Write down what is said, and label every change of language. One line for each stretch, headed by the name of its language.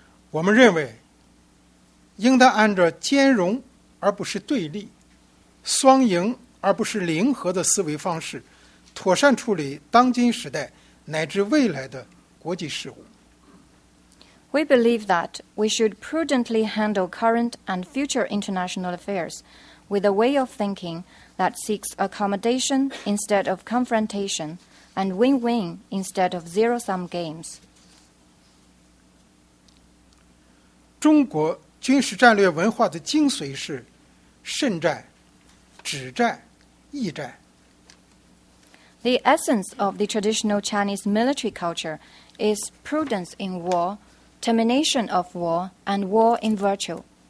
Chinese: 我们认为，应当按照兼容而不是对立，双赢而不是零和的思维方式妥善处理当今时代乃至未来的国际事务。
English: We believe that we should prudently handle current and future international affairs with a way of thinking that seeks accommodation instead of confrontation and win-win instead of zero-sum games.
Chinese: 中国军事战略文化的精髓是胜战、止战、意战。
English: The essence of the traditional Chinese military culture is prudence in war, termination of war, and war in virtue.